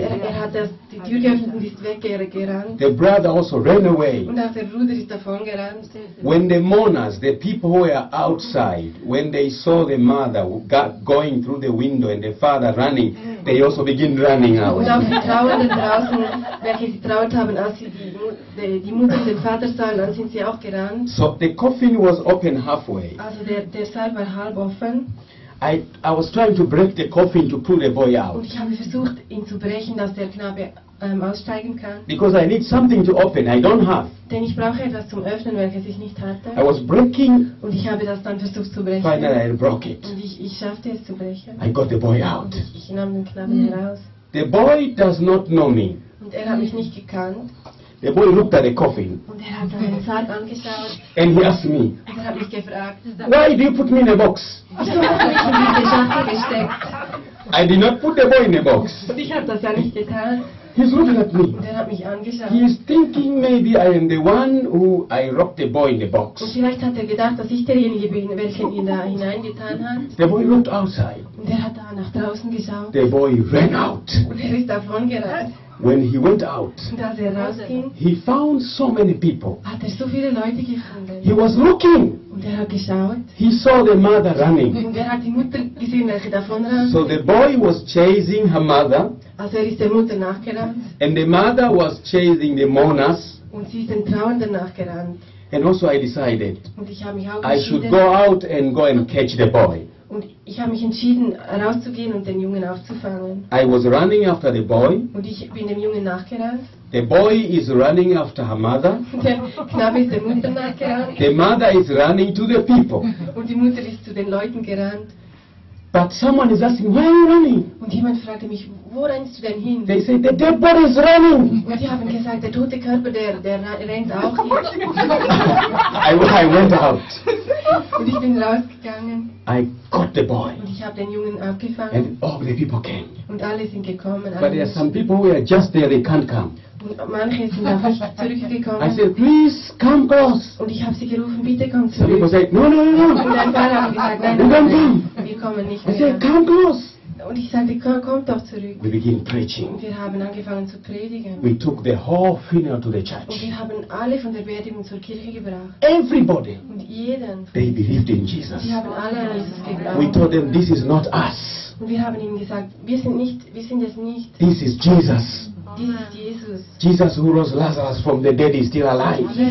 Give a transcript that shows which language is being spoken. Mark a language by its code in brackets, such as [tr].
[de] Er hat die Tür geöffnet und ist weggerannt. [en] The brother also ran away. [de] Und auch der Bruder ist davon gerannt. [en] When the mourners, the people who were outside, when they saw the mother going through the window and the father running, they also begin running out. [de] Und auch die Trauernden draußen, welche sie traut haben, als sie die Mutter und den Vater sahen, dann sind sie auch gerannt. [en] So the coffin was open halfway. [de] Also der Sarg war halb offen. [en] I was trying to break the coffin to pull the boy out. [de] Und ich habe versucht, ihn zu brechen, dass der Knabe aussteigen kann. [en] Because I need something to open, I don't have. [de] Denn ich brauche etwas zum Öffnen, welches ich nicht hatte. [en] I was breaking. [de] Und ich habe das dann versucht zu brechen. [en] Finally I broke it. [de] Und ich schaffte es zu brechen. [en] I got the boy out. [de] Und ich nahm den Knaben heraus. [en] The boy does not know me. [de] Und er hat mich nicht gekannt. [en] The boy looked at the coffin. [de] Und er hat den Sarg angeschaut. [en] And he asked me. [de] Und er hat mich gefragt. [en] Why do you put me in a box? [de] Wieso hast du mich in diese Schachtel gesteckt? [en] I did not put the boy in a box. [de] Und ich habe das ja nicht getan. [en] He's looking at me. [de] Der hat mich angeschaut. [en] He is thinking maybe I am the one who I rocked the boy in the box. [de] Und vielleicht hat er gedacht, dass ich derjenige bin, welchen ihn da hineingetan hat. [en] The boy looked outside. [de] Und der hat da nach draußen geschaut. [en] The boy ran out. [de] Und er ist davon gerannt. [en] When he went out, [de] rausging, [en] he found so many people. [de] Hat er so viele Leute gefunden. [en] He was looking. [de] Und er hat geschaut. [en] He saw the mother running. [de] Und er hat die Mutter gesehen, welche davon ran. [en] So the boy was chasing her mother. [de] Also er ist der Mutter nachgerannt. [en] And the mother was chasing the mourners. [de] Und sie ist den Trauernden nachgerannt. [en] And also I decided, [de] und ich habe mich auch [en] I should go out and go and catch the boy. [de] Und ich habe mich entschieden, rauszugehen und den Jungen aufzufangen. [en] I was running after the boy. [de] Und ich bin dem Jungen nachgerannt. [en] The boy is running after her mother. [de] Der Knabe ist der Mutter nachgerannt. [en] The mother is running to the people. [de] Und die Mutter ist zu den Leuten gerannt. [en] But someone is asking, why are you running? [de] Und jemand fragte mich, wo rennst du denn hin? [en] They said, the dead body is running. [de] Und die haben gesagt, der tote Körper, der rennt auch hin. [en] I went out. [de] Und ich bin rausgegangen. [en] I got the boy. [de] Und ich habe den Jungen abgefangen. [en] And all the people came. [de] Und alle sind gekommen. [en] But there are some people who are just there, they can't come. [de] Und manche sind auch nicht zurückgekommen. [en] I said, please come close. [de] Und ich habe sie gerufen, bitte komm zurück. [en] Some people said, no, no, no, no. [de] Und ein paar haben gesagt, nein, [en] don't [de] nein, [en] come. [de] Wir kommen nicht mehr. [en] I said, come close. [de] Und ich sagte, komm doch zurück. [en] We begin preaching. [de] Und wir haben angefangen zu predigen. [en] We took the whole funeral to the church. [de] Und wir haben alle von der Beerdigung zur Kirche gebracht. [en] Everybody. [de] Und jeden. [en] They believed in Jesus. [de] Sie haben alle an Jesus geglaubt. [en] We told them, this is not us. [de] Und wir haben ihnen gesagt, wir sind es nicht. [en] This is Jesus. [de] Dies ist Jesus. [en] Jesus, who rose Lazarus from the dead, is still alive.